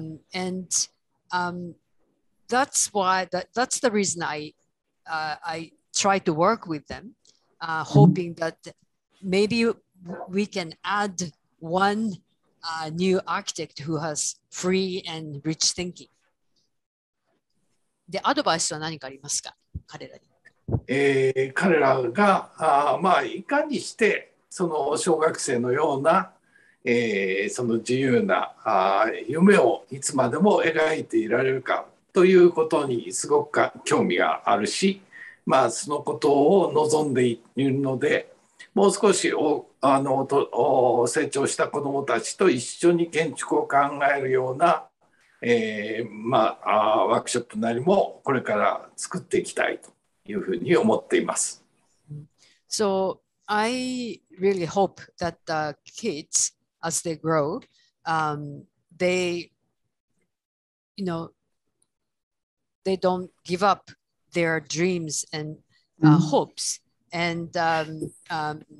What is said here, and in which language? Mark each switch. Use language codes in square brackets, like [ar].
[en] That's why that's the reason I try to work with them, hoping that maybe we can add one new architect who has free and rich thinking. [ja] アドバイスは何かありますか? 彼らが、いかにしてその小学生のような その自由な夢をいつまでも描いていられるかということにすごく興味があるし、まあそのことを望んでいるので、もう少し成長した子どもたちと一緒に建築を考えるような、ワークショップなりもこれから作っていきたいというふうに思っています。 [en] So I really hope that the kids, as they grow, they don't give up their dreams and hopes, and I've